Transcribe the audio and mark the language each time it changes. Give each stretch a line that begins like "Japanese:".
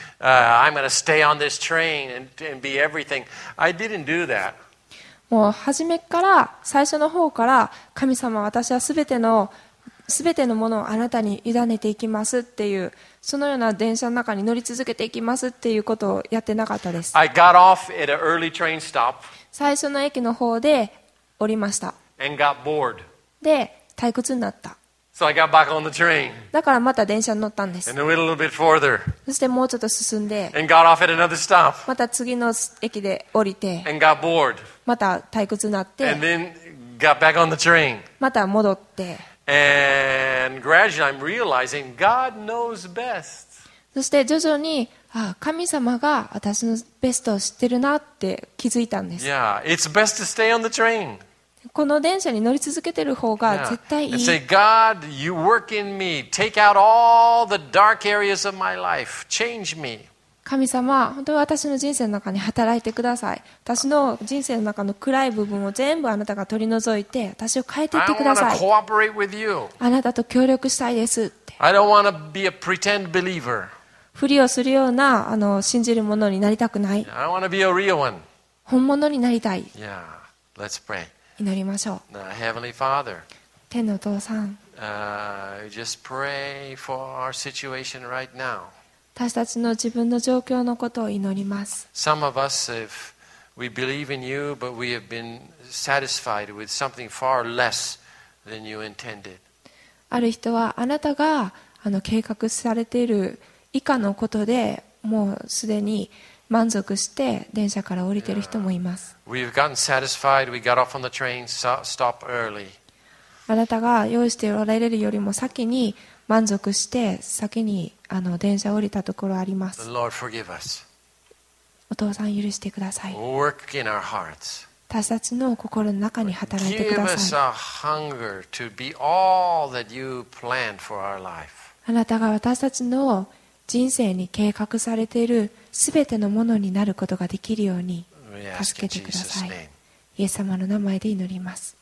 English: I'm going to stay on this train and be everything. I didn't do that.
Japanese: もう初めから最初の方から神様私はすべてのものをあなたに委ねていきますっていうそのような電車の中に乗り続けていきますっていうことをやってなかったです。
English: I got off at an early train stop.
Japanese: 最初の駅の方で降りました。
English: And got bored.
Japanese: で退屈になった。
English: So I got back on the train.
Japanese: だからまた電車に乗ったんです。
English: And went a little bit further.
Japanese: そしてもうちょっと進んで。
English: And got off at another stop.
Japanese: また次の駅で降りて。
English: And got bored.
Japanese: また退屈になって。
English: And then got back on the train.
Japanese: また戻って。
English: And gradually I'm realizing God knows best.
Japanese: そして徐々に、ああ、神様が私のベストを知ってるなって気づいたんです。
English: Yeah, it's best to stay on the train.
Japanese: この電車に乗り続けてる方が絶対いい。
English: Say, God, you work in me. Take out all the dark areas of my life. Change me.
Japanese: 神様、本当に私の人生の中に働いてください。私の人生の中の暗い部分を全部あなたが取り除いて、私を変えていってください。
English: I want to cooperate with you.
Japanese: あなたと協力したいですって。
English: I don't want to be a pretend believer.
Japanese: ふりをするような信じる者になりたくない。
English: I want to be a real one.
Japanese: 本物になりたい。
English: Yeah, let's pray.
Japanese: 祈りましょう。
English: Now, Heavenly Father,
Japanese: 天のお父さん、
English: just pray for our situation right now.
Japanese: 私たちの自分の状況のことを祈ります。
English: Some of us, if we believe in you, but we have been satisfied with something far less than you intended.
Japanese: ある人はあなたが計画されている以下のことでもうすでに満足して電車から降りている人もいます。
English: We've gotten satisfied. We got off on the train. Stop early.
Japanese: あなたが用意しておられるよりも先に満足して先に電車降りたところあります。
English: Lord, forgive us.
Japanese: お父さん許してください。
English: Work in our hearts.
Japanese: 私たちの心の中に働いてください。
English: Give us a hunger to be all that you planned for our life.
Japanese: あなたが私たちの人生に計画されているすべてのものになることができるように助けてください。イエス様の名前で祈ります。